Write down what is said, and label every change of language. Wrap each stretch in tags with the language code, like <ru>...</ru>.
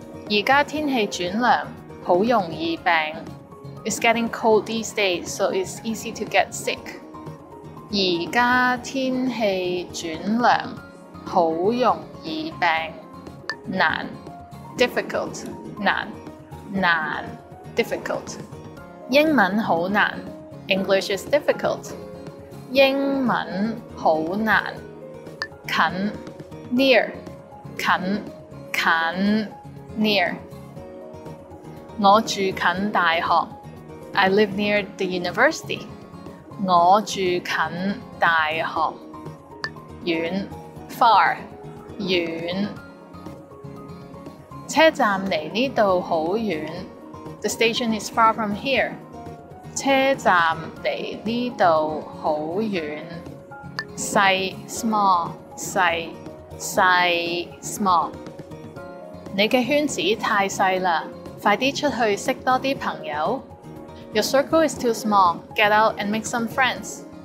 <yue>而家天气转凉，好容易病。</yue> <en>It's getting cold these days, so it's easy to get sick.</en> <yue>而家天气转凉，好容易病。难</yue> <en>，difficult，</en> <yue>难，难</yue> <en>，difficult。</en> <yue>英文好难</yue> <en>，English is difficult。</en> <yue>英文好难。近</yue> <en>，near，</en> <yue>近，近。</yue> <en>Near.</en> <yue>我住近大学。</yue> <en>I live near the university.</en> <yue>我住近大学。远</yue> <en>Far.</en> <yue>远车站离呢度好远。</yue> <en>The station is far from here.</en> <yue>车站离呢度好远。细</yue> <en>Small.</en> <yue>细细</yue> <en>Small.</en> <yue>你的圈子太小了，快点出去认识多些朋友。</yue> <en>Your circle is too small, get out and make some friends.</en>